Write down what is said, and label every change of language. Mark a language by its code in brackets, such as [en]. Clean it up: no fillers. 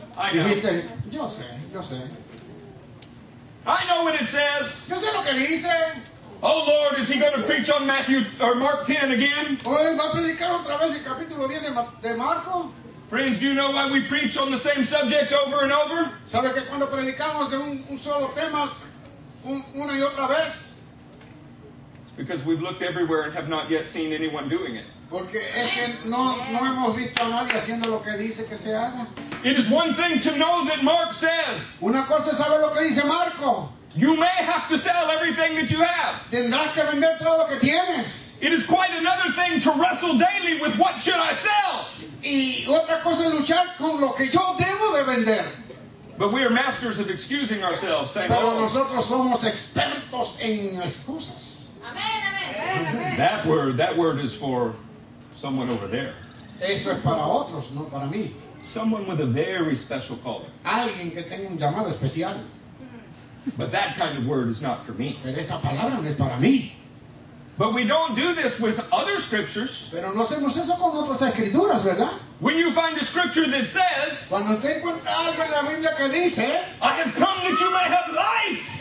[es] Dijiste, yo sé. [en] I know what it says. [es] Yo sé lo que dice. [en] Oh Lord, is he going to preach on Matthew or Mark 10 again? Friends, do you know why we preach on the same subject over and over? [es] ¿Sabe que cuando predicamos de un solo tema una y otra vez? [en] It's because we've looked everywhere and have not yet seen anyone doing it. [es] Porque es que no hemos visto a nadie haciendo lo que dice que se haga. [en] It is one thing to know that Mark says. [es] Una cosa es saber lo que dice Marco. [en] You may have to sell everything that you have. [es] Tendrás que vender todo lo que tienes. [en] It is quite another thing to wrestle daily with what should I sell. [es] Y otra cosa es luchar con lo que yo debo de vender. [en] But we are masters of excusing ourselves, saying, [es] pero nosotros somos expertos en excusas. Amen, amen. [en] That word is for someone over there. [es] Eso es para otros, no para mí. [en] Someone with a very special calling. [es] Alguien que tenga un llamado especial. [en] But that kind of word is not for me. [es] Pero esa palabra no es para mí. [en] But we don't do this with other scriptures. [es] Pero no hacemos eso con otras escrituras, ¿verdad? [en] When you find a scripture that says, [es] cuando usted encuentra algo en la Biblia que dice, [en] I have come that you may have life.